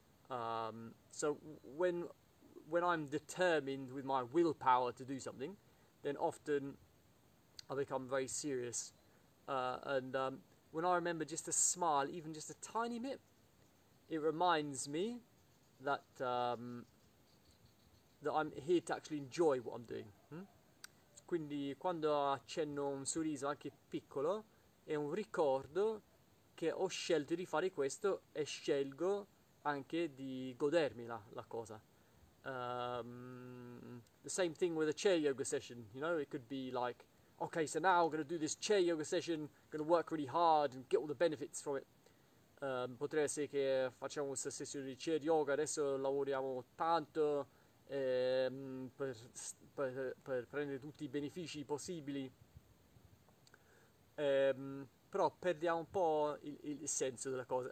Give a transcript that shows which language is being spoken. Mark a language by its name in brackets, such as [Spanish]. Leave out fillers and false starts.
[English] So when I'm determined with my willpower to do something, then often I become very serious. When I remember just to smile, even just a tiny bit, it reminds me that that I'm here to actually enjoy what I'm doing. [Italian] Quindi quando accenno un sorriso anche piccolo, è un ricordo che ho scelto di fare questo e scelgo anche di godermi la cosa. [English] The same thing with a chair yoga session, you know, it could be like, okay, so now I'm going to do this chair yoga session, going to work really hard and get all the benefits from it. [Italian] Potrebbe essere che facciamo questa sessione di chair yoga, adesso lavoriamo tanto per prendere tutti i benefici possibili. Però perdiamo un po' il senso della cosa.